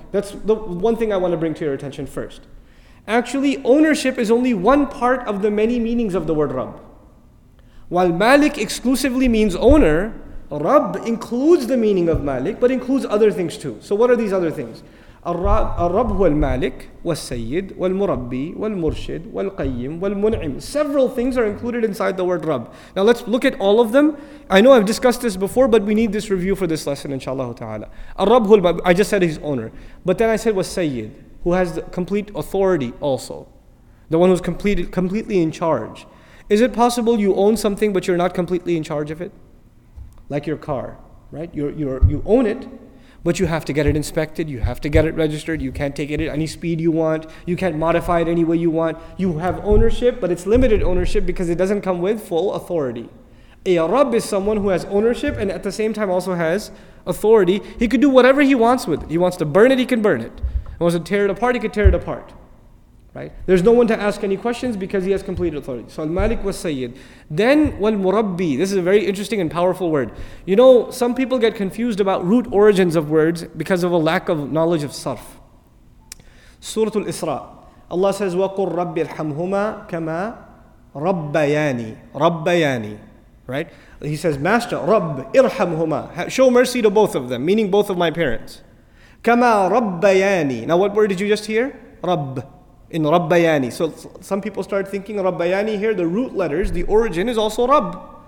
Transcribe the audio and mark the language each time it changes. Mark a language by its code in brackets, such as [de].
[en] That's the one thing I want to bring to your attention first. Actually, ownership is only one part of the many meanings of the word Rabb. While Malik exclusively means owner, Rabb includes the meaning of Malik, but includes other things too. So what are these other things? [ar] الرب هو المالك والسيد والمربي والمرشد والقيم والمنعم. [en] Several things are included inside the word Rabb. Now let's look at all of them. I know I've discussed this before, but we need this review for this lesson, inshallah ta'ala. [ar] الرب هو المالك, [en] I just said his owner. But then I said والسيد, who has the complete authority also. The one who's completely in charge. Is it possible you own something but you're not completely in charge of it? Like your car, right? You own it, but you have to get it inspected, you have to get it registered, you can't take it at any speed you want, you can't modify it any way you want. You have ownership, but it's limited ownership because it doesn't come with full authority. A Rabb is someone who has ownership and at the same time also has authority. He could do whatever he wants with it. He wants to burn it, he can burn it. He wants to tear it apart, he could tear it apart. Right? There's no one to ask any questions because he has complete authority. So al-Malik was Sayyid. Then wal-Murabbi. This is a very interesting and powerful word. You know, some people get confused about root origins of words because of a lack of knowledge of sarf. Surah Al-Isra. Allah says, [ar] وَقُلْ رَبِّ ارْحَمْهُمَا كَمَا رَبَّيَانِ. رَبَّيَانِ. Right? [en] He says, Master, [ar] رَبِّ ارْحَمْهُمَا. [en] Show mercy to both of them, meaning both of my parents. [ar] كَمَا رَبَّيَانِي. [en] Now what word did you just hear? [ar] رَبْ. In رَبَّيَانِي. [en] So some people start thinking رَبَّيَانِي here, the root letters, the origin is also رَبْ.